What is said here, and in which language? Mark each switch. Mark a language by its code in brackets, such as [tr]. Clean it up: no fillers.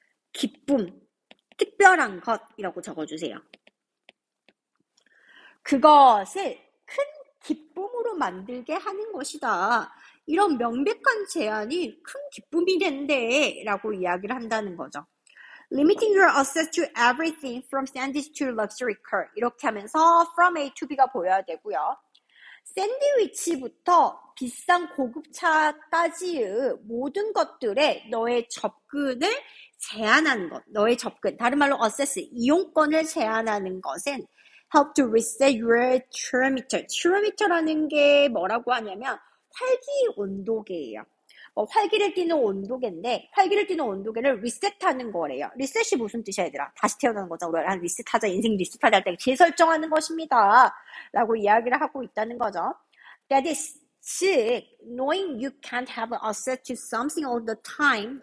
[ko] 기쁨, 특별한 것이라고 적어주세요. 그것을 큰 기쁨으로 만들게 하는 것이다. 이런 명백한 제안이 큰 기쁨이 된대. 라고 이야기를 한다는 거죠. [en] Limiting your access to everything from sandwich to luxury car. [ko] 이렇게 하면서 from A to B가 보여야 되고요. 샌드위치부터 비싼 고급차까지의 모든 것들에 너의 접근을 제한하는 것, 너의 접근, 다른 말로 access, 이용권을 제한하는 것은 [en] help to reset your thermometer. [ko] thermometer라는 게 뭐라고 하냐면 활기 온도계예요. 활기를 띠는 온도계인데, 활기를 띠는 온도계를 리셋하는 거래요. 리셋이 무슨 뜻이야, 얘들아? 다시 태어나는 거죠. 우리가 리셋하자. 인생 리셋하자 할때 재설정하는 것입니다. 라고 이야기를 하고 있다는 거죠. [en] That is, 즉, knowing you can't have access to something all the time.